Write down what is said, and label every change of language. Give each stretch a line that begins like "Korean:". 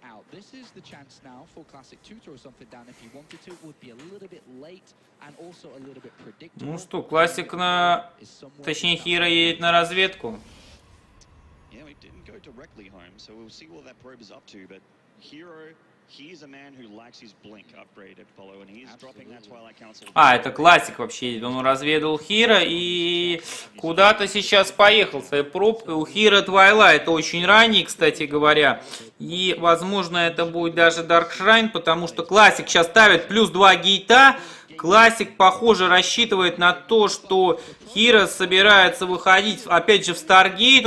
English: This is the chance now for Classic 2 to throw something down if he wanted to. It would be a little bit late and also a little bit predictable.
Russian: Ну что, Classic на... Точнее, Хира едет на разведку.
English: Yeah, we didn't go directly home, so we'll see what that probe is up to. But Hero, he is a man who lacks his blink upgrade at Apollo, and he is dropping that Twilight Council.
Russian: А, это Classic вообще едет. Он разведал Хира и куда-то сейчас поехал. Своя пробка. У Хира Twilight очень ранний, кстати говоря. И, возможно, это будет даже Dark Shrine, потому что Classic сейчас ставит плюс 2 гейта. Classic, похоже, рассчитывает на то, что Хира собирается выходить, опять же, в Stargate.